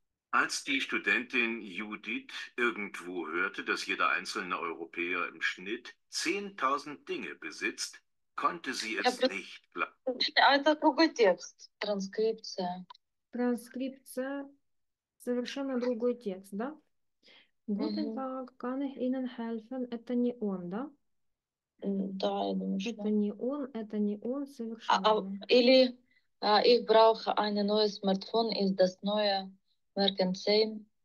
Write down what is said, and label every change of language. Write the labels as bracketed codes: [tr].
[de] Als die Studentin Judith irgendwo hörte, dass jeder einzelne Europäer im Schnitt 10.000 Dinge besitzt, konnte sie es nicht glauben. [ru] Это другой текст, транскрипция. Транскрипция. Совершенно другой текст, да? [de] Guten Tag, kann ich Ihnen helfen? [ru] Это не он, да? Да, я думаю, Это что. не он, это не он, совершенно. Или [de] ich brauche ein neues Smartphone, ist das neue Mercedes.